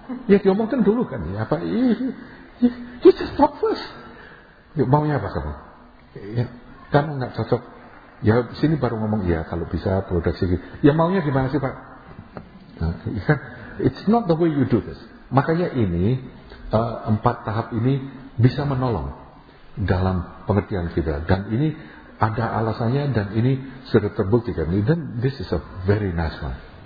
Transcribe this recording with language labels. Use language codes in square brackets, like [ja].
[id] Ya diomongkan dulu kan, ya apa? [en] You just talk first. [id] Yuk, maunya apa kamu? Ya, kamu nggak cocok. Ya sini baru ngomong, ya kalau bisa produksi. Ya maunya gimana sih Pak? Nah, ya, [en] it's not the way you do this. [id] Makanya ini, empat tahap ini bisa menolong dalam pengertian kita. Dan ini ada alasannya dan ini sudah terbukti kan. Dan [en] this is a very nice one.